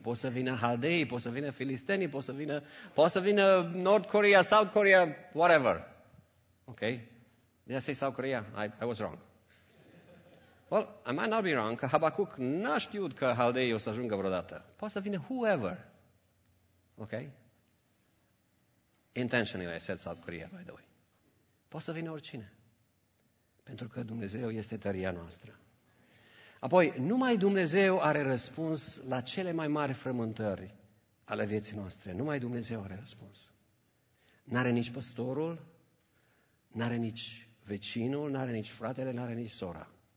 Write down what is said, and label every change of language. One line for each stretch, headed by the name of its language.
Romanian: Poți să vină haldeii, poți să vină filistenii, poți să vină North Korea, South Korea, whatever. Ok?
English: Did I say South Korea? I was wrong. Well, I might not be wrong,
Romanian: că Habacuc n-a știut că haldeii o să ajungă vreodată. Poate să vină whoever. Ok?
English: Intentionally I said South Korea, by the way.
Romanian: Poate să vină oricine. Pentru că Dumnezeu este tăria noastră. Apoi, numai Dumnezeu are răspuns la cele mai mari frământări ale vieții noastre. Numai Dumnezeu are răspuns. N-are nici păstorul, n-are nici vecinul, n-are nici fratele, n-are nici sora.